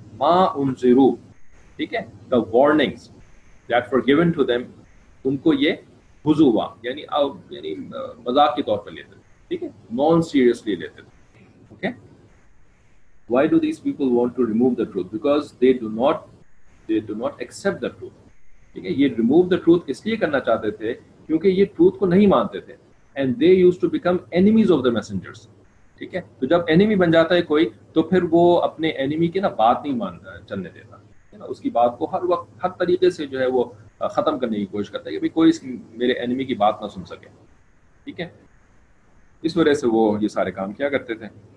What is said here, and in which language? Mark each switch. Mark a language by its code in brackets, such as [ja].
[ar] ما انذرو, [ur] ٹھیک ہے, [en] the warnings that for given to them, [ur] ان کو یہ ہزوا یعنی مذاق کے طور پر لیتے تھے. ٹھیک ہے, نان سیریسلی لیتے تھے. [en] Okay, why do these people want to remove the truth, because they do not accept the truth. [ur] ٹھیک ہے, یہ ریموو دا ٹروتھ اس لیے کرنا چاہتے تھے کیونکہ یہ ٹروتھ کو نہیں مانتے تھے. [en] And they used to become enemies of the messengers. [ur] ٹھیک ہے, تو جب enemy بن جاتا ہے کوئی تو پھر وہ اپنے enemy کی نا بات نہیں مان چلنے دیتا, اس کی بات کو ہر وقت ہر طریقے سے جو ہے وہ ختم کرنے کی کوشش کرتا ہے کہ بھائی کوئی میرے enemy کی بات نہ سن سکے. ٹھیک ہے, اس وجہ سے وہ یہ سارے کام کیا کرتے تھے.